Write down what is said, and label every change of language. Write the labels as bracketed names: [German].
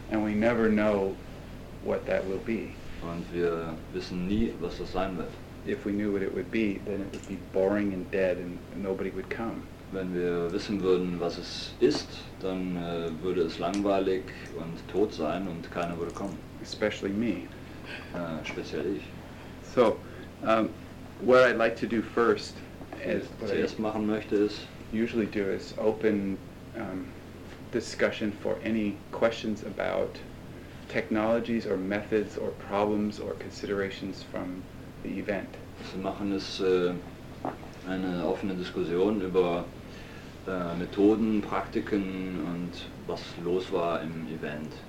[English] And we never know what that will be. [German] Und wir wissen nie, was das sein wird. [English] If we knew what it would be, then it would be boring and dead and nobody would come. [German] Wenn wir wissen würden, was es ist, dann würde es langweilig und tot sein und keiner würde kommen. [English] Especially me. [German] Speziell ich. [English] So, what I'd like to do first, as [German] what zuerst machen möchte, ist [English] usually do is open discussion for any questions about technologies or methods or problems or considerations from the event. [German] Was wir machen ist eine offene Diskussion über Methoden, Praktiken und was los war im Event.